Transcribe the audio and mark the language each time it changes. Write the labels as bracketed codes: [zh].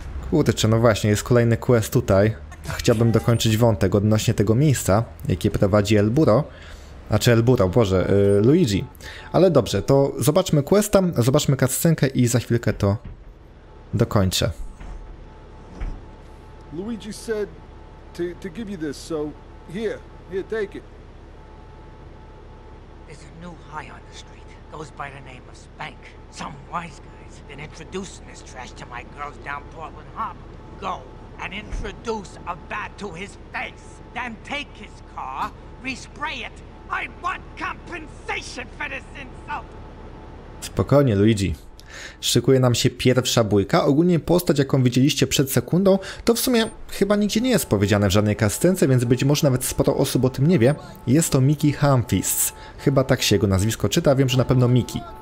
[pl] Kurczę, no właśnie, jest kolejny quest tutaj. Chciałbym dokończyć wątek odnośnie tego miejsca, jakie prowadzi El Burro. Znaczy El Burro, Boże, Luigi. Ale dobrze, to zobaczmy questa, zobaczmy cutscenkę i za chwilkę to dokończę. [en] Luigi said to give you this, so here. Here, take it. There's a new high on the street. Goes by the name of Spank. Some wise guy's been introducing this trash to my girls down Portland Harbor. Go and introduce a bat to his face. Then take his car, respray it. I want compensation for this insult. [pl] Spokojnie, Luigi. Szykuje nam się pierwsza bójka. Ogólnie postać, jaką widzieliście przed sekundą, to w sumie chyba nigdzie nie jest powiedziane w żadnej kascence, więc być może nawet sporo osób o tym nie wie. Jest to Mickey Humphries. Chyba tak się jego nazwisko czyta, wiem, że na pewno Mickey.